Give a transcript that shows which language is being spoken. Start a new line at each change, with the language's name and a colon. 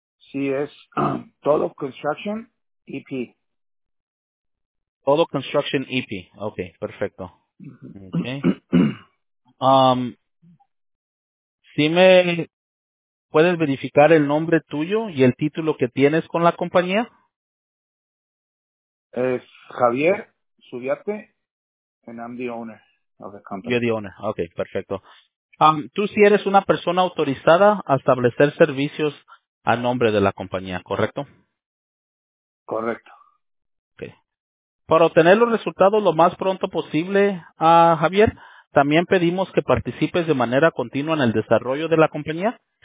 Spanish: Sí, es Todo Construction EP. Todo Construction EP. Okay, perfecto. Okay. ¿Sí me puedes verificar el nombre tuyo y el título que tienes con la compañía?
English: Es Javier Zubiate, and I'm the owner of the company. You're the owner. Okay, perfecto.
Spanish: Tú sí eres una persona autorizada a establecer servicios a nombre de la compañía, ¿correcto? Correcto. Okay. Para obtener los resultados lo más pronto posible, Javier, también pedimos que participes de manera continua en el desarrollo de la compañía.